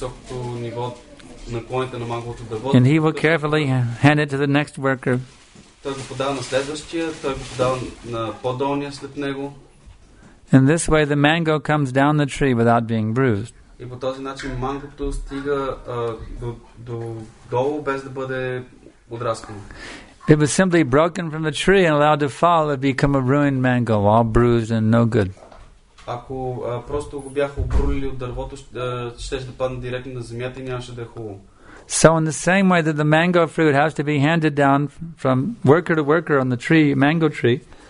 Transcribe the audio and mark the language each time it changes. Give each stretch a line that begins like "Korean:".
English: And he will carefully hand it to the next worker. In this way, the mango comes down the tree without being bruised.
Bulgarian: И по този начин мангото стига до долу без да бъде удраскано.
English: It was simply broken from the tree and allowed to fall, it become a ruined mango, all bruised and no good.
Bulgarian: Ако просто го бяха обрулили от дървото, щеше да падне директно на земята и нямаше да е хубаво.
English: So in the same way that the mango fruit has to be handed down from worker to worker on the tree, mango tree.